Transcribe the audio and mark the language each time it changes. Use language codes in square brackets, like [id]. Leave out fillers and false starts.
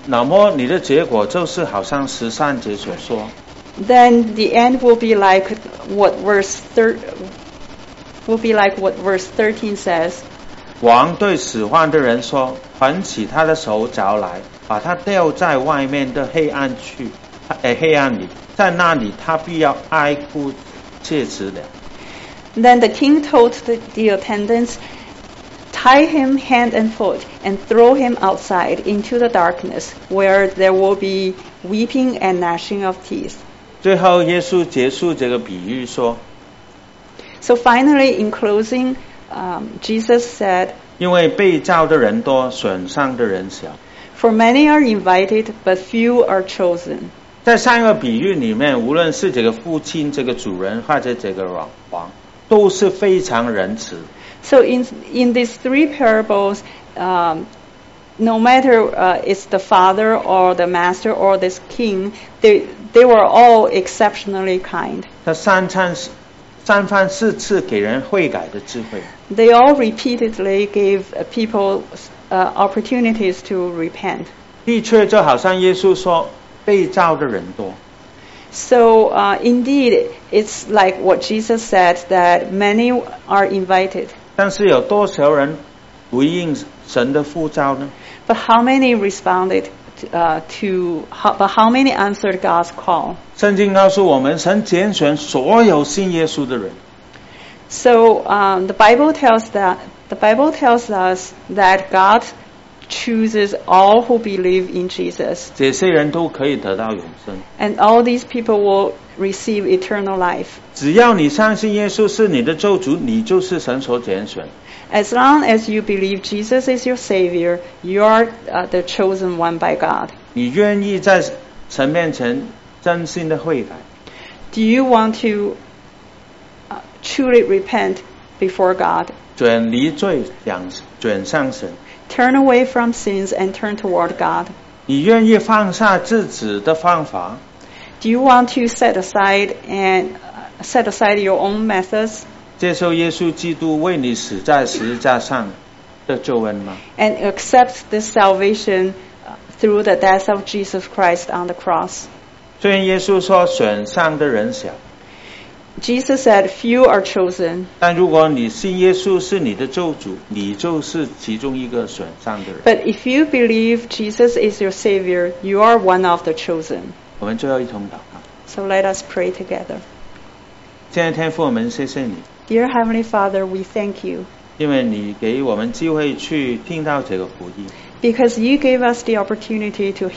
[zh] 那么你的结果就是好像十三节所说。 [en] Then the end will be like what verse 13 says. [zh] 王对使唤的人说，捆起他的手脚来，把他吊在外面的黑暗里，在那里他必要哀哭切齿了。 [en] Then the king told the attendants. Tie him hand and foot and throw him outside into the darkness where there will be weeping and gnashing of teeth. [zh] 最后耶稣结束这个比喻说。 [en] So finally, in closing, Jesus said, [zh] 因为被召的人多，选上的人少。 [en] For many are invited, but few are chosen. [zh] 在上一个比喻里面，无论是这个父亲、这个主人或者这个王，都是非常仁慈。 [en] So in these three parables, no matter it's the father or the master or this king, they were all exceptionally kind. [zh] 他三番四次给人悔改的智慧。 [en] They all repeatedly gave people opportunities to repent. [zh] 的确，就好像耶稣说，被召的人多。 [en] So indeed, it's like what Jesus said, that many are invited. [zh] 但是有多少人回应神的呼召呢？ [en] But how many answered God's call? [zh] 圣经告诉我们，神拣选所有信耶稣的人。 [en] So, the Bible tells us that God chooses all who believe in Jesus. [zh] 这些人都可以得到永生。 [en] And all these people will. Receive eternal life. [zh] 只要你相信耶稣是你的救主，你就是神所拣选。 [en] As long as you believe Jesus is your Savior, you are the chosen one by God. [zh] 你愿意在神面前真心的悔改？ [en] Do you want to truly repent before God? [zh] 转离罪，转向神。 [en] Turn away from sins and turn toward God. [zh] 你愿意放下自己的方法？ [en] Do you want to set aside your own methods? [zh] 接受耶稣基督为你死在十字架上的救恩吗？ [en] And accept this salvation through the death of Jesus Christ on the cross. [zh] 虽然耶稣说选上的人少。 [en] Jesus said few are chosen. [zh] 但如果你信耶稣是你的救主，你就是其中一个选上的人。 [en] But if you believe Jesus is your Savior, you are one of the chosen. [zh] 我们最后一同祷告。 [en] So let us pray together. [zh] 亲爱的天父，我们谢谢你。 [en] Dear Heavenly Father, we thank you. [zh] 因为你给我们机会去听到这个福音。 [en] Because you gave us the opportunity to hear.